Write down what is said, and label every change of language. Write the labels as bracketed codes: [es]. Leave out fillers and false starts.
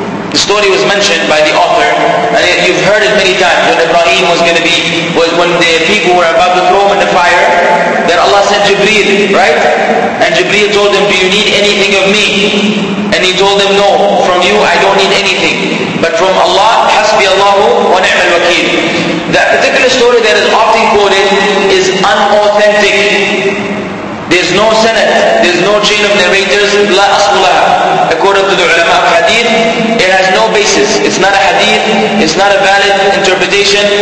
[en] The story was mentioned by the author, and you've heard it many times, when Ibrahim was going to be, when the people were about to throw him in the fire, then Allah sent Jibreel, right? And Jibreel told him, do you need anything of me? And he told him, no, from you I don't need anything. But from Allah, [ar] حَسْبِيَ اللَّهُ وَنِعْمَ الْوَكِيلُ. [en] That particular story that is often quoted is unauthentic. There's no sanad, there's no chain of narrators, [ar] لَا أَصْلُ لَهَا. [en] According to the ulama of hadith, it has no basis. It's not a hadith, it's not a valid interpretation.